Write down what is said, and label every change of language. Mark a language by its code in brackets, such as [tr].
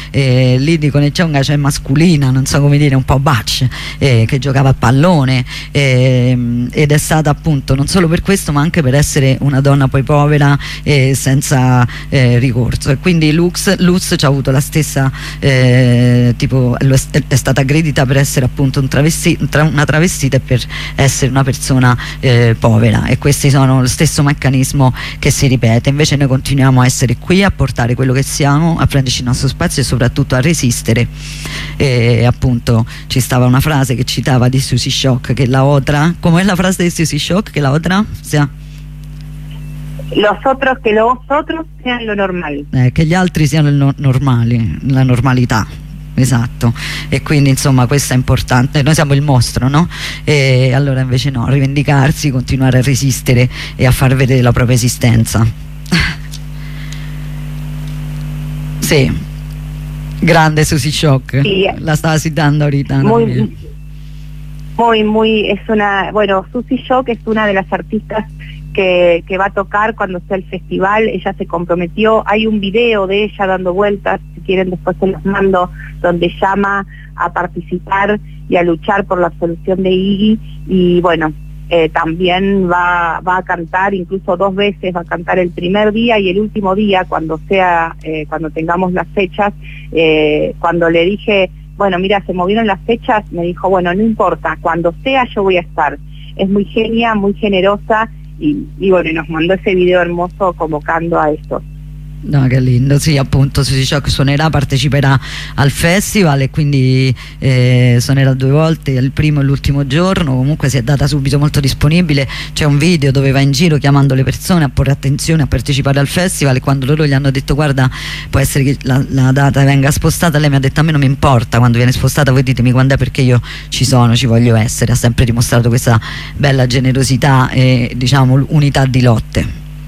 [it] Lì dicono c'è un gaccio masculina, non so come dire, un po' bacio, che giocava a pallone, ed è stata appunto non solo per questo ma anche per essere una donna poi povera e senza ricorso. E quindi Luz ci ha avuto la stessa tipo, è stata aggredita per essere appunto una travestita e per essere una persona povera, e questi sono lo stesso meccanismo che si ripete. Invece noi continuiamo a essere qui, a portare quello che siamo, a prenderci il nostro spazio e soprattutto a resistere. E appunto ci stava una frase che citava di Susy Shock, che [es] la otra, [it] com'è la frase di Susy Shock, che la otra sia [es] los otros, que los otros sean lo normal, [it] che gli altri siano normali, la normalità. Esatto, e quindi insomma questo è importante, noi siamo il mostro, no? E allora invece no, rivendicarsi, continuare a resistere e a far vedere la propria esistenza. Sì. Grande Susy Shock, sí. [es] La estaba citando ahorita. Muy, es una, bueno, Susy Shock es una de las artistas que va a tocar cuando sea el festival. Ella se comprometió, hay un video de ella dando vueltas, si quieren después se los mando, donde llama a participar y a luchar por la absolución de Iggy. Y bueno, también va a cantar, incluso dos veces va a cantar, el primer día y el último día, cuando sea, cuando tengamos las fechas. Cuando le dije, bueno, mira, se movieron las fechas, me dijo, bueno, no importa, cuando sea yo voy a estar. Es muy genia, muy generosa, y bueno, nos mandó ese video hermoso convocando a esto. [it] No, che lindo, sì, appunto Susy Shock suonerà, parteciperà al festival, e quindi suonerà due volte, il primo e l'ultimo giorno. Comunque si è data subito molto disponibile, c'è un video dove va in giro chiamando le persone a porre attenzione, a partecipare al festival, e quando loro gli hanno detto guarda, può essere che la data venga spostata, lei mi ha detto a me non mi importa quando viene spostata, voi ditemi quando è, perché io ci sono, ci voglio essere. Ha sempre dimostrato questa bella generosità e diciamo unità di lotte.